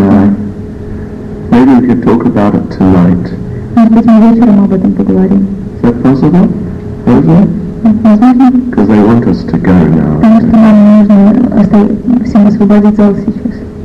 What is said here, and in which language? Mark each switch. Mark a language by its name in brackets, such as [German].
[English] Maybe we could talk about it tonight. [Russian] Может быть, мы вечером об этом поговорим. [English] Is that possible? [Russian] Возможно. [English] Because they want us to go now. [Russian] Потому что нам нужно всем освободить зал сейчас.